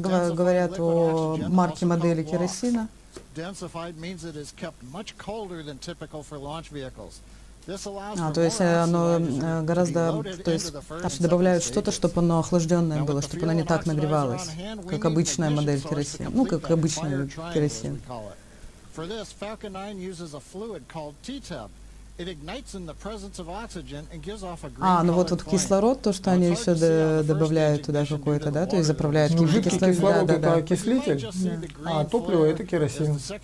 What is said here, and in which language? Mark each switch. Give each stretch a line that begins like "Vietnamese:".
Russian: говорят о марке модели керосина.
English: Densified means it is kept much colder than typical for launch vehicles.
Russian: То есть оно гораздо, то есть наши добавляют что-то, чтобы оно охлажденное было, чтобы оно не так нагревалось, как обычная модель керосина. Ну, как обычный керосин.
English: For this, Falcon 9 uses a fluid called TTEB. It ignites in the presence of oxygen and gives off a green flame.
Russian: А, ну вот тут кислород, то, что они еще добавляют туда какое-то, да, то есть заправляют кислород, это окислитель, а топливо это керосин.